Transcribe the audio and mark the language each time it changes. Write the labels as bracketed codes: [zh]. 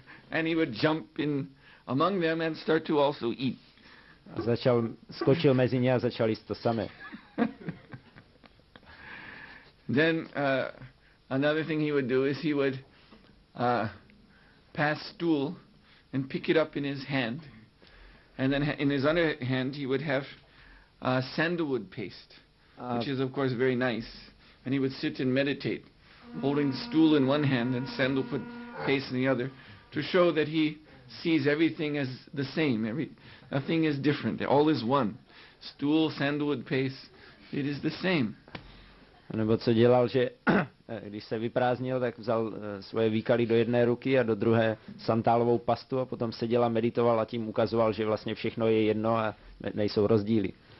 [en] And he would jump in among them and start to also eat. [cs] A začal, skočil mezi ně a začal jíst to samé. [en] Then another thing he would do is he would pass stool and pick it up in his hand, and then in his other hand he would have sandalwood paste, which is of course very nice, and he would sit and meditate, holding the stool in one hand and sandalwood paste in the other, to show that he sees everything as the same, nothing is different, all is one, stool, sandalwood paste, it is the same. [cs] Nebo co dělal, že když se vyprázdnil, tak vzal svoje výkaly do jedné ruky a do druhé santálovou pastu a potom seděl a meditoval a tím ukazoval, že vlastně všechno je jedno a nejsou rozdíly.